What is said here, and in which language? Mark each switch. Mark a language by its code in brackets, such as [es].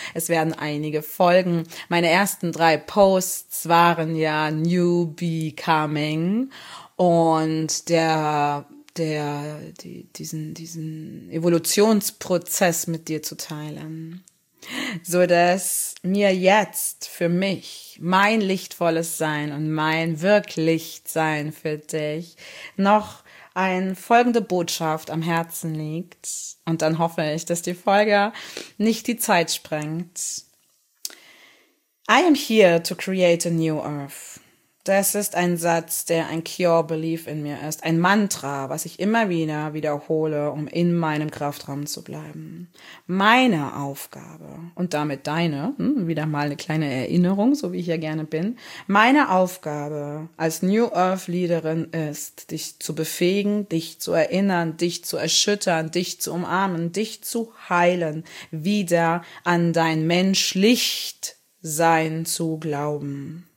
[de] Es werden einige Folgen. Meine ersten 3 Posts waren ja New Becoming und diesen Evolutionsprozess mit dir zu teilen, so dass mir jetzt für mich mein lichtvolles Sein und mein Wirklichtsein für dich noch eine folgende Botschaft am Herzen liegt. Und dann hoffe ich, dass die Folge nicht die Zeit sprengt. [en] I am here to create a new earth. [de] Das ist ein Satz, der ein Core Belief in mir ist, ein Mantra, was ich immer wieder wiederhole, um in meinem Kraftraum zu bleiben. Meine Aufgabe und damit deine, wieder mal eine kleine Erinnerung, so wie ich ja gerne bin, meine Aufgabe als New Earth Leaderin ist, dich zu befähigen, dich zu erinnern, dich zu erschüttern, dich zu umarmen, dich zu heilen, wieder an dein Menschlichtsein zu glauben.